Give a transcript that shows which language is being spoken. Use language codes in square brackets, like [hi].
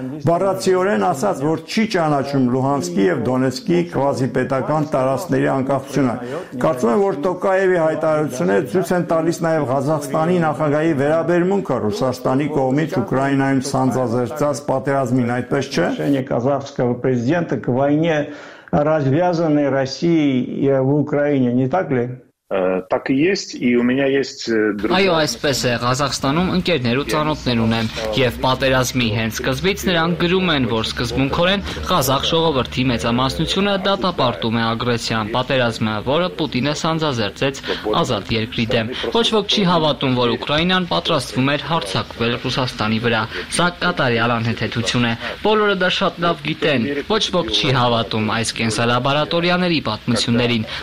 [hy] բառացիորեն ասաց, որ չի ճանաչում Լուհանսկի եւ Դոնեցկի քվազիպետական տարածքների անկախությունը։ Կարծում եմ, որ Տոկաևի հայտարարությունները ցույց են տալիս նաեւ Ղազախստանի նախագահի վերաբերմունքը Ռուսաստանի կողմից Ուկրաինայում սանձազերծած պատերազմին, այդպես չէ՞։ Ղազախստանի պրեզիդենտը [ru] к войне, развязанной Россией в Украине, не так ли? Так и есть, и у меня есть друзья. [hy] Այո, այսպես է, Ղազախստանում ընկերներ ու ծանոթներ ունեմ, եւ պատերազմի հենց սկզբից նրանք գրում են, որ սկզբունքորեն Ղազախ ժողովրդի մեծամասնությունը դատապարտում է ագրեսիան, պատերազմը, որը Պուտինը սանձազերծեց ազատ երկրի դեմ։ Ոչ ոք չի հավատում, որ Ուկրաինան պատրաստվում էր հարձակվել Ռուսաստանի վրա, սա կատարյալ անհեթեթություն է, բոլորը դա շատ լավ գիտեն։ Ոչ ոք չի հավատում այս կենսալաբորատորիաների պատմություններին,